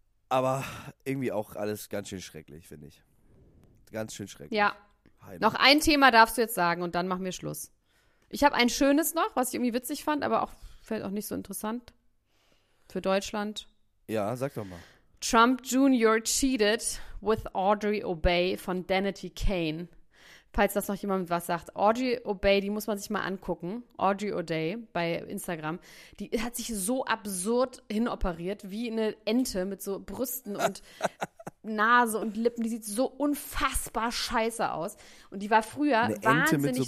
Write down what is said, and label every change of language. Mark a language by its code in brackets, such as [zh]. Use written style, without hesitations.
[de] Aber irgendwie auch alles ganz schön schrecklich, finde ich. Ganz schön schrecklich. Ja. Heino. Noch ein Thema darfst du jetzt sagen und dann machen wir Schluss. Ich habe ein schönes noch, was ich irgendwie witzig fand, aber auch vielleicht auch nicht so interessant für Deutschland. Ja, sag doch mal. Trump Jr. [en] cheated with Audrey O'Bay von Danity Kane. [de] Falls das noch jemand was sagt. Audrey O'Bay, die muss man sich mal angucken. Audrey O'Day bei Instagram. Die hat sich so absurd hinoperiert, wie eine Ente mit so Brüsten und Nase und Lippen. Die sieht so unfassbar scheiße aus. Und die war früher wahnsinnig